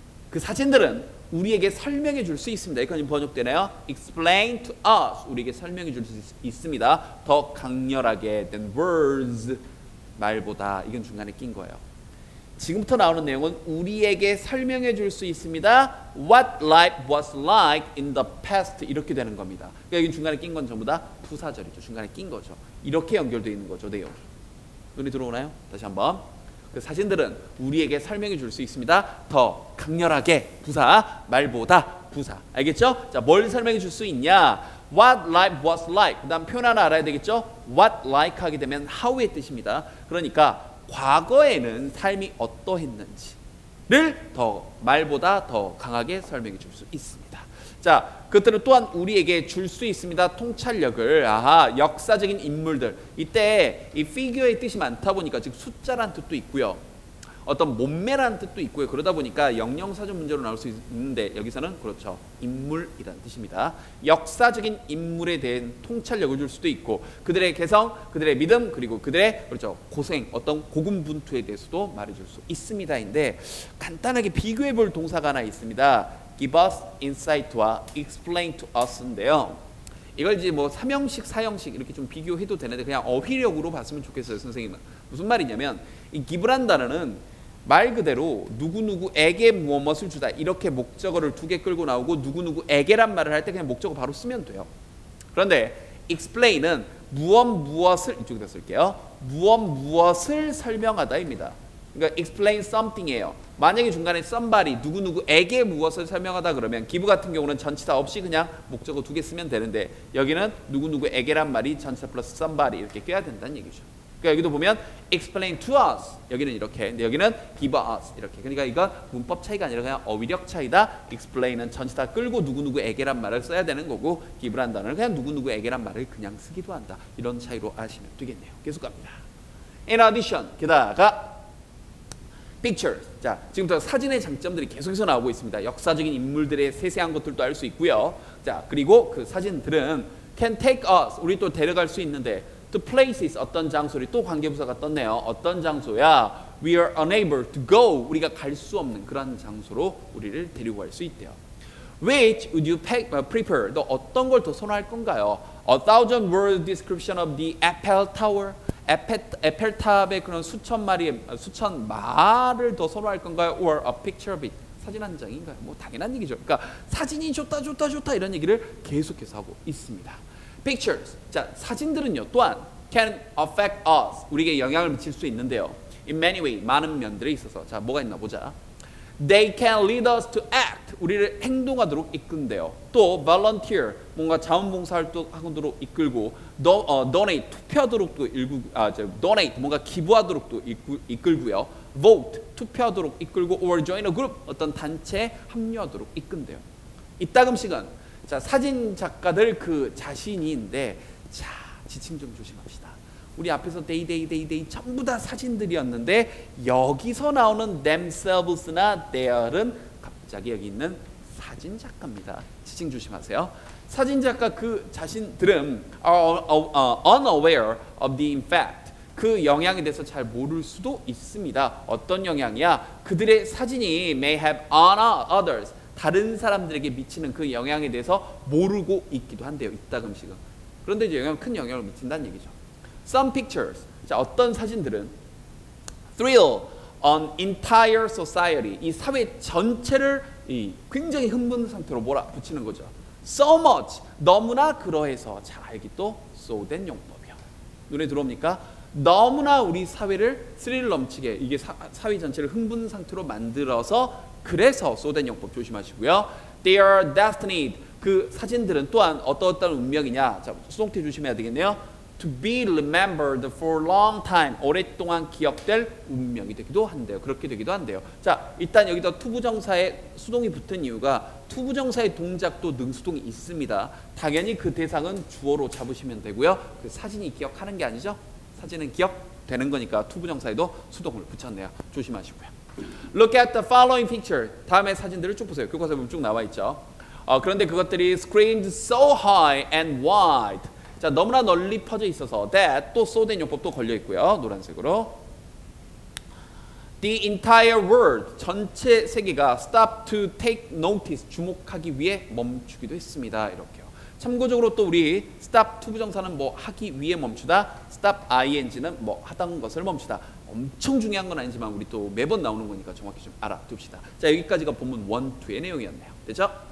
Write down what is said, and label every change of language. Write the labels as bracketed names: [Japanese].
[Korean] 그 사진들은 우리에게 설명해 줄 수 있습니다. 이건 번역되나요? [English] Explain to us. [Korean] 우리에게 설명해 줄 수 있습니다. 더 강렬하게 [English] than words. [Korean] 말보다. 이건 중간에 낀 거예요. 지금부터 나오는 내용은 우리에게 설명해 줄 수 있습니다. [English] What life was like in the past. [Korean] 이렇게 되는 겁니다. 그러니까 이건 중간에 낀 건 전부 다 부사절이죠. 중간에 낀 거죠. 이렇게 연결되어 있는 거죠. 내용. 눈에 들어오나요? 다시 한번. 그 사진들은 우리에게 설명해 줄 수 있습니다. 더 강렬하게 부사 말보다 부사 알겠죠? 자, 뭘 설명해 줄 수 있냐? [English] What life was like [Korean] 그 다음 표현 하나 알아야 되겠죠? What like 하게 되면 how의 뜻입니다. 그러니까 과거에는 삶이 어떠했는지를 더 말보다 더 강하게 설명해 줄 수 있습니다. 자, 그것들은 또한 우리에게 줄 수 있습니다. 통찰력을 역사적인 인물들 이때 이 figure의 뜻이 많다 보니까 즉 숫자란 뜻도 있고요 어떤 몸매란 뜻도 있고요 그러다 보니까 영영사전 문제로 나올 수 있는데 여기서는 그렇죠 인물이라는 뜻입니다. 역사적인 인물에 대한 통찰력을 줄 수도 있고 그들의 개성, 그들의 믿음 그리고 그들의 그렇죠 고생 어떤 고군분투에 대해서도 말해줄 수 있습니다인데 간단하게 비교해 볼 동사가 하나 있습니다. [English] Give us insight와 explain to us인데요. [Korean] 이걸 이제 뭐 삼형식, 사형식 이렇게 좀 비교해도 되는데 그냥 어휘력으로 봤으면 좋겠어요, 선생님은. 무슨 말이냐면 이 기브란 단어는 말 그대로 누구누구에게 무엇을 주다 이렇게 목적어를 두 개 끌고 나오고 누구누구에게란 말을 할 때 그냥 목적어 바로 쓰면 돼요. 그런데 explain은 무엇을 이쪽에다 쓸게요. 무엇을 설명하다입니다. 그러니까 [English] explain something [Korean] 이에요. 만약에 중간에 somebody 누구누구에게 무엇을 설명하다 그러면 give 같은 경우는 전치사 없이 그냥 목적어 두 개 쓰면 되는데 여기는 누구누구에게란 말이 전치사 플러스 somebody 이렇게 껴야 된다는 얘기죠. 그러니까 여기도 보면 [English] explain to us [Korean] 여기는 이렇게 근데 여기는 give us 이렇게 그러니까 이거 문법 차이가 아니라 그냥 어휘력 차이다. explain은 전치사 끌고 누구누구에게란 말을 써야 되는 거고 give란 단어는 그냥 누구누구에게란 말을 그냥 쓰기도 한다. 이런 차이로 아시면 되겠네요. 계속 갑니다. [English] In addition [Korean] 게다가 [English] pictures. [Korean] 자, 지금부터 사진의 장점들이 계속해서 나오고 있습니다. 역사적인 인물들의 세세한 것들도 알 수 있고요. 자, 그리고 그 사진들은 [English] can take us, [Korean] 우리 또 데려갈 수 있는데 [English] to places, [Korean] 어떤 장소를 또 관계부사가 떴네요. 어떤 장소야? [English] We are unable to go, [Korean] 우리가 갈 수 없는 그런 장소로 우리를 데리고 갈 수 있대요. [English] Which would you pick, prefer? [Korean] 너 어떤 걸 더 선호할 건가요? [English] A thousand word description of the Eiffel Tower? [Korean] 에펠탑의 그런 수천 말을 더 선호할 건가요? [English] Or a picture of it? [Korean] 사진 한 장인가요? 뭐 당연한 얘기죠. 그러니까 사진이 좋다 이런 얘기를 계속해서 하고 있습니다. Pictures. 자, 사진들은요 또한 [English] can affect us. [Korean] 우리에게 영향을 미칠 수 있는데요. [English] In many ways. [Korean] 많은 면들에 있어서. 자, 뭐가 있나 보자. [English] They can lead us to act. [Korean] 우리를 행동하도록 이끈대요. 또 volunteer, 뭔가 자원봉사활동하도록 이끌고 donate, 투표하도록도 donate, 뭔가 기부하도록도 이끌고요. vote, 투표하도록 이끌고 or join a group, 어떤 단체에 합류하도록 이끈대요. 이따금씩은 자, 사진 작가들 그 자신인데 자, 지칭 좀 조심합시다. 우리 앞에서 they 전부 다 사진들이었는데 여기서 나오는 themselves나 their은 갑자기 여기 있는 사진 작가입니다. 지칭 조심하세요. 사진 작가 그 자신들은 [English] are unaware of the impact. [Korean] 그 영향에 대해서 잘 모를 수도 있습니다. 어떤 영향이야? 그들의 사진이 [English] may have on others. [Korean] 다른 사람들에게 미치는 그 영향에 대해서 모르고 있기도 한대요. 이따금씩은. 그런데 이제 영향, 큰 영향을 미친다는 얘기죠. [English] Some pictures. [Korean] 자, 어떤 사진들은 [English] thrill an entire society. [Korean] 이 사회 전체를 이 굉장히 흥분 상태로 몰아붙이는 거죠. [English] So much. [Korean] 너무나 그러해서. 자, 이게 또 so 된 용법이요. 눈에 들어옵니까? 너무나 우리 사회를 스릴 넘치게 이게 사회 전체를 흥분 상태로 만들어서 그래서 so 된 용법 조심하시고요. [English] They are destined. [Korean] 그 사진들은 또한 어떠한 운명이냐? 자, 수동태 조심해야 되겠네요. [English] To be remembered for a long time. [Korean] 오랫동안 기억될 운명이 되기도 한대요. 그렇게 되기도 한대요. 자, 일단 여기다 to 부정사에 수동이 붙은 이유가 to 부정사의 동작도 능수동이 있습니다. 당연히 그 대상은 주어로 잡으시면 되고요. 그 사진이 기억하는 게 아니죠? 사진은 기억되는 거니까 to 부정사에도 수동을 붙였네요. 조심하시고요. [English] Look at the following picture. [Korean] 다음에 사진들을 쭉 보세요. 교과서에 보면 쭉 나와 있죠. 그런데 그것들이 [English] screened so high and wide. [Korean] 자, 너무나 널리 퍼져 있어서 that 또 so 된 용법도 걸려 있고요. 노란색으로 [English] the entire world [Korean] 전체 세계가 [English] stop to take notice [Korean] 주목하기 위해 멈추기도 했습니다. 이렇게요. 참고적으로 또 우리 stop to 부정사는 뭐 하기 위해 멈추다 stop ing는 뭐 하던 것을 멈추다 엄청 중요한 건 아니지만 우리 또 매번 나오는 거니까 정확히 좀 알아둡시다. 자, 여기까지가 본문 1, 2의 내용이었네요. 됐죠?